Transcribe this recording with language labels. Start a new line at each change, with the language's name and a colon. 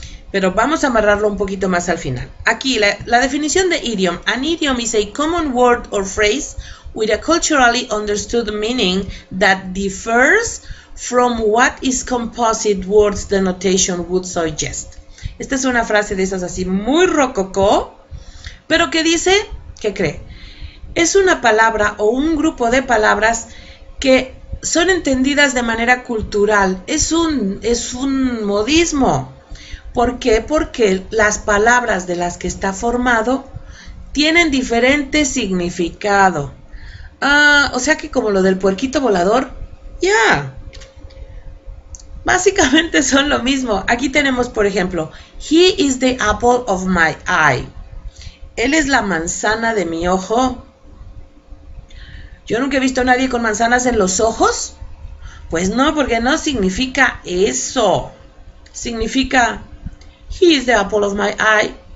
Spanish: Pero vamos a amarrarlo un poquito más al final. Aquí, la definición de idiom.
English: An idiom is a common word or phrase with a culturally understood meaning that differs from what its composite words denotation would suggest.
Spanish: Esta es una frase de esas así muy rococó, pero que dice, ¿qué cree? Es una palabra o un grupo de palabras que son entendidas de manera cultural. Es un modismo. ¿Por qué? Porque las palabras de las que está formado tienen diferente significado. O sea que como lo del puerquito volador, ya. Yeah. Básicamente son lo mismo. Aquí tenemos, por ejemplo,
English: he is the apple of my eye.
Spanish: Él es la manzana de mi ojo. Yo nunca he visto a nadie con manzanas en los ojos. Pues no, porque no significa eso.
English: Significa, he is the apple of my eye.